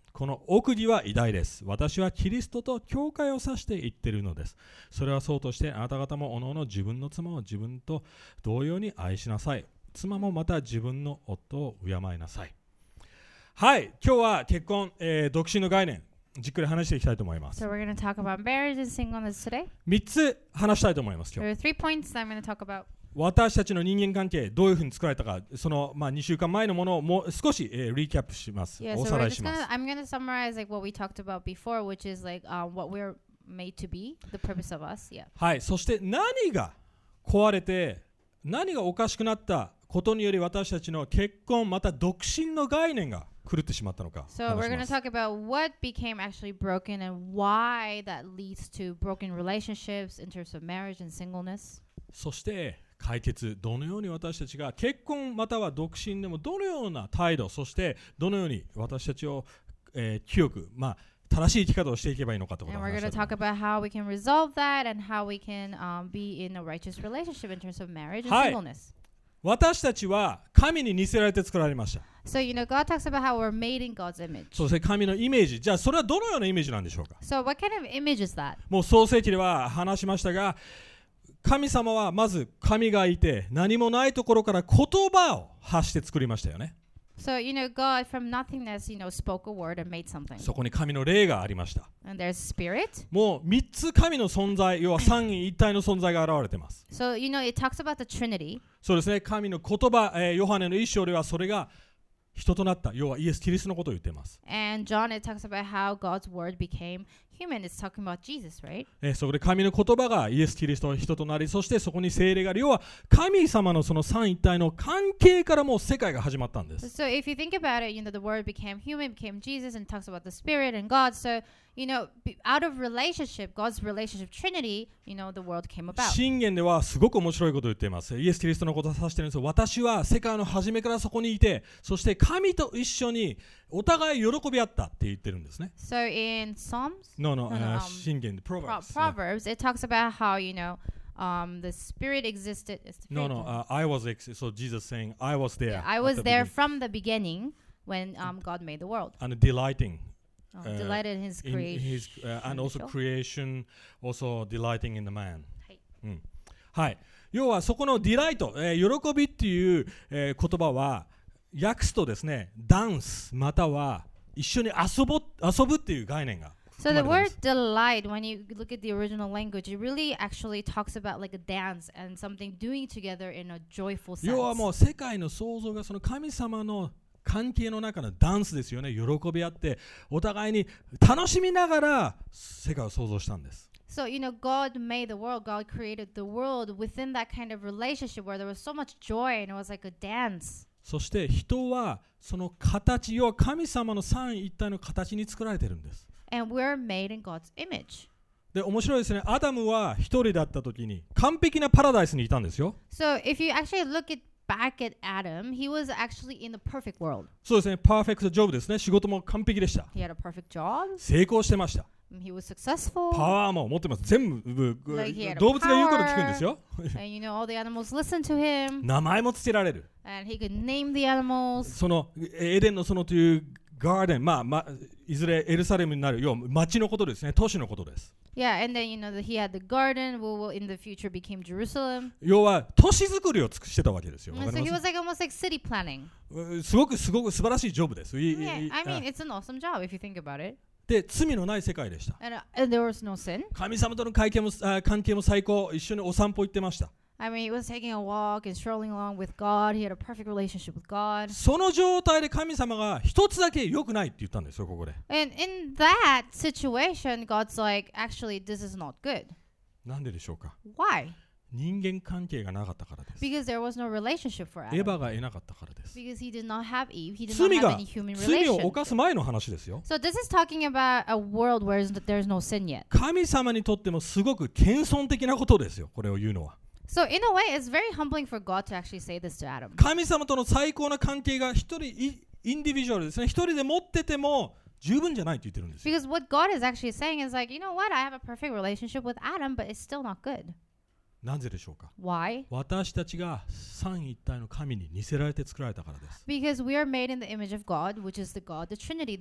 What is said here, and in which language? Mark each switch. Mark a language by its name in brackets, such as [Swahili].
[Japanese] この奥義は偉大です。私はキリストと教会を指して言っているのです。それはそうとして、あなた方もおのおの自分の妻を自分と同様に愛しなさい。妻もまた自分の夫を敬いなさい。はい、今日は結婚、独身の概念、じっくり話していきたいと思います。 [English] So we're going to talk about marriage and singleness today. [Japanese] 三つ話したいと思います、今日。 [English] There are three points that I'm going to talk about. [Japanese] 私たちの人間関係どういうふうに作られたか、その、まあ、2週間前のものをもう少し、リキャップします。 [English] Yeah, [Japanese] おさらいします。 [English] So、I'm going to summarize like, what we talked about before, which is like, what we're made to be, the purpose of us.、Yeah. [Japanese] はい、そして何が壊れて、何がおかしくなったことにより私たちの結婚、また独身の概念が狂ってしまったのか。 [English] So we're going to talk about what became actually broken and why that leads to broken relationships in terms of marriage and singleness. [Japanese] そして解決、どのように私たちが結婚または独身でもどのような態度、そしてどのように私たちを、清く、まあ、正しい生き方をしていけばいいのかということを話したいと思います。 [English] And we're going to talk about how we can resolve that and how we can, be in a righteous relationship in terms of marriage and singleness. [Japanese] はい。私たちは神に似せられて作られました。 [English] So you know, God talks about how we're made in God's image. [Japanese] そうですね、神のイメージ。じゃあそれはどのようなイメージなんでしょうか。 [English] So what kind of image is that? [Japanese] もう創世記では話しましたが、神様はまず神がいて、何もないところから言葉を発して作りましたよね。 [English] So, you know, God, from nothingness, you know, spoke a word and made something. [Japanese] そこに神の霊がありました。 [English] And there's spirit. [Japanese] もう3つ神の存在、要は三位一体の存在が現れています。 [English] So, you know, it talks about the Trinity. [Japanese] そうですね、神の言葉、ヨハネの一章ではそれが人となった要はイエス・キリストのことを言っています。 [English] And John, it talks about how God's word became human. It's talking about Jesus, right? [Japanese] そこで神の言葉がイエス・キリストの人となり、そしてそこに聖霊がある。要は神様のその三一体の関係からもう世界が始まったんです。 [English] So if you think about it, you know, the word became human, became Jesus, and talks about the Spirit and God. So, you know, out of relationship, God's relationship, Trinity, you know, the world came about. [Japanese] 箴言ではすごく面白いことを言っています。イエス・キリストのことを指しているんですよ。私は世界の初めからそこにいて、そして神と一緒にお互い喜び合ったって言ってるんですね。 [English] So in Psalms? Proverbs. Proverbs, it talks about how, you know, the Spirit existed. So Jesus saying, I was there. Yeah, I was the there from the beginning when God made the world. And delighting. Delighted in his creation. And also creation, also delighting in the man. [Japanese] はい。要はそこのディライト、喜びっていう、言葉は訳すとですね、ダンスまたは一緒に遊ぶっていう概念が。 [English] So the word delight, when you look at the original language, it really actually talks about like a dance and something doing together in a joyful sense. [Japanese] 要はもう世界の創造がその神様の関係の中のダンスですよね。喜び合ってお互いに楽しみながら世界を創造したんです。 [English] So, you know, God made the world, God created the world within that kind of relationship where there was so much joy and it was like a dance. [Japanese] そして人はその形、要は神様の三一体の形に作られているんです。 [English] And we're made in God's image. [Japanese] で、面白いですね。アダムは一人だった時に完璧なパラダイスにいたんですよ。 [English] So if you actually look at back at Adam, he was actually in the perfect world. [Japanese] そうですね。パーフェクトジョブですね。仕事も完璧でした。 [English] He had a perfect job. [Japanese] 成功してました。 [English] He was successful. [Japanese] パワーも持ってます。全部、like、動物が言うこと聞くんですよ。 [English] And you know, all the animals listen to him. [Japanese] 名前も付けられる。 [English] And he could name the animals. [Japanese] そのエデンの園というガーデン、まあまあ、いずれエルサレムになる、要は町のことですね、都市のことです。 [English] Yeah, and then you know he had the garden, which will in the future became Jerusalem. [Japanese] 要は都市作りをしてたわけですよ。 [English] So he was like almost like city planning. [Japanese] すごくすごく素晴らしいジョブです。 [English] Yeah, I mean it's an awesome job if you think about it. [Japanese] で罪のない世界でした。 [English] And there was no sin. [Japanese] 神様との関係も最高。一緒にお散歩行ってました。 [English] I mean, he was taking a walk and strolling along with God. He had a perfect relationship with God. [Japanese] その状態で神様が一つだけ良くないって言ったんですよ、ここで。 [English] And in that situation, God's like, actually, this is not good. [Japanese] なんででしょうか。 [English] Why? [Japanese] 人間関係がなかったからです。 [English] Because there was no relationship for Adam. [Japanese] エヴァがいなかったからです。 [English] Because he did not have Eve. He did not have any human relationship. [Japanese] 罪を犯す前の話ですよ。 [English] So this is talking about a world where there's no sin yet. [Japanese] 神様にとってもすごく謙遜的なことですよ、これを言うのは。 [English] So in a way, it's very humbling for God to actually say this to Adam. [Japanese] 神様との最高な関係が一人インディビジュアルですね。一人で持ってても十分じゃないと言ってるんですよ。 [English] Because what God is actually saying is like, you know what? I have a perfect relationship with Adam, but it's still not good. [Japanese] なぜでしょうか。 [English] Why? [Japanese] 私たちが三一体の神に似せられて作られたからです。 [English] Because we are made in the image of God, which is the God, the Trinity.